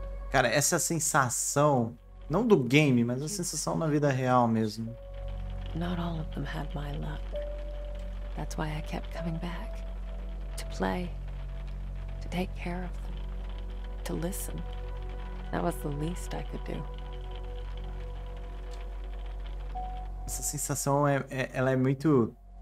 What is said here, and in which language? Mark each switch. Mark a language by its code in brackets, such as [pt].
[pt] Cara, essa sensação, não do game, mas a sensação na vida real mesmo. [en] Not all of them had my luck. That's why I kept coming back. To play. To take care of them. To listen. That was the least I could do. [pt] Essa sensação ela é muito...